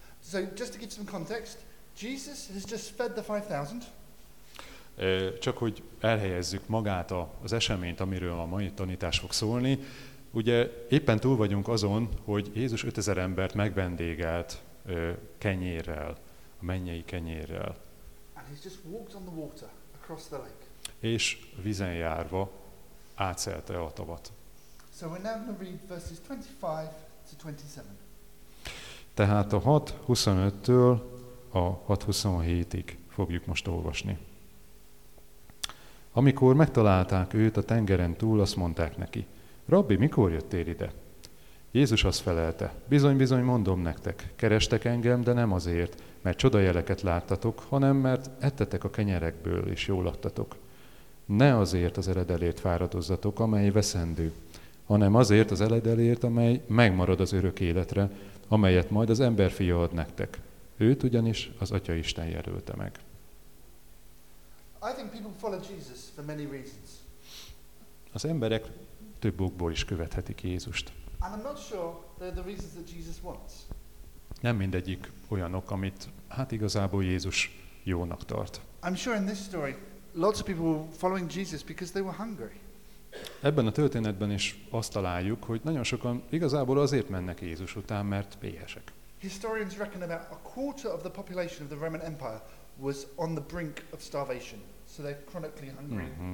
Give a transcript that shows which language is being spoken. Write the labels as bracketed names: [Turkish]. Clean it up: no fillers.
[English] So just to give some context, Jesus has just fed the 5,000. [Hungarian] Csak hogy elhelyezzük magát az eseményt, amiről a mai tanítás fog szólni. Ugye éppen túl vagyunk azon, hogy Jézus 5000 embert megvendégelt kenyérrel, a mennyei kenyérrel. [English] And he's just walked on the water across the lake. [Hungarian] És vízen járva átszelte a tavat. [English] So we're now going to read verses 25 to 27. [Hungarian] Tehát a 6:25-től a 6:27-ig fogjuk most olvasni. Amikor megtalálták őt a tengeren túl, azt mondták neki: Rabbi, mikor jöttél ide? Jézus azt felelte: bizony-bizony mondom nektek, kerestek engem, de nem azért, mert csodajeleket láttatok, hanem mert ettetek a kenyerekből, és jól adtatok. Ne azért az eredelért fáradozzatok, amely veszendő, hanem azért az eredelért, amely megmarad az örök életre, amelyet majd az emberfia ad nektek. Őt ugyanis az Atya Isten jelölte meg. [English] I think people follow Jesus for many reasons. [Hungarian] Az emberek több okból is követhetik Jézust. [English] And I'm not sure they're the reasons that Jesus wants. [Hungarian] Nem mindegyik olyanok, amit hát igazából Jézus jónak tart. [English] I'm sure in this story lots of people were following Jesus because they were hungry. [Hungarian] Ebben a történetben is azt találjuk, hogy nagyon sokan igazából azért mennek Jézus után, mert éhesek. [English] Historians reckon about a quarter of the population of the Roman Empire was on the brink of starvation. So they're chronically hungry.